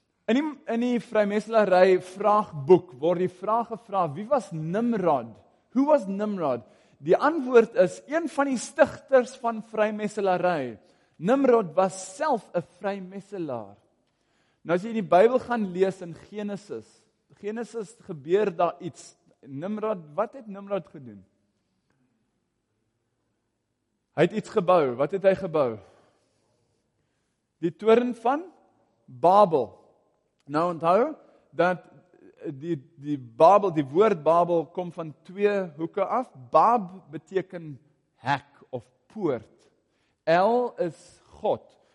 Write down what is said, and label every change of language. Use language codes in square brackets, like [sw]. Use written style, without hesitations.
[af] In die vrymesselary vraagboek word die vraag gevra, wie was Nimrod? [en] Who was Nimrod? [af] Die antwoord is, een van die stichters van vrymesselarij, Nimrod was self 'n vrymesselaar. Nou as jy die Bybel gaan lees in Genesis gebeur daar iets. Nimrod, wat het Nimrod gedoen? Hy het iets gebou, wat het hy gebou? Die toren van Babel. Nou onthou, dat die Babel, die woord Babel, kom van twee hoeke af. Bab beteken hek of poort. El is God.